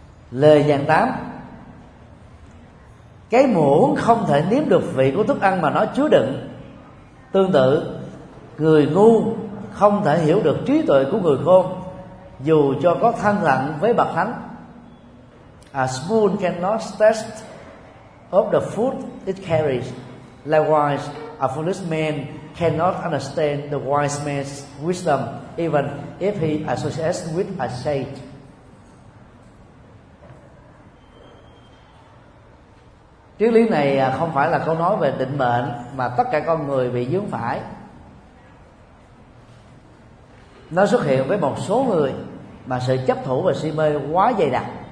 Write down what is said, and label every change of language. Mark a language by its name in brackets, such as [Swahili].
[Vietnamese] Lời dạng 8: cái muỗng không thể nếm được vị của thức ăn mà nó chứa đựng. Tương tự, người ngu không thể hiểu được trí tuệ của người khôn, dù cho có thân cận với bậc thánh. [English] A spoon cannot test of the food it carries. Likewise, a foolish man cannot understand the wise man's wisdom, even if he associates with a sage. [Vietnamese] Triết lý này không phải là câu nói về định mệnh mà tất cả con người bị vướng phải. Nó xuất hiện với một số người mà sự chấp thủ và si mê quá dày đặc.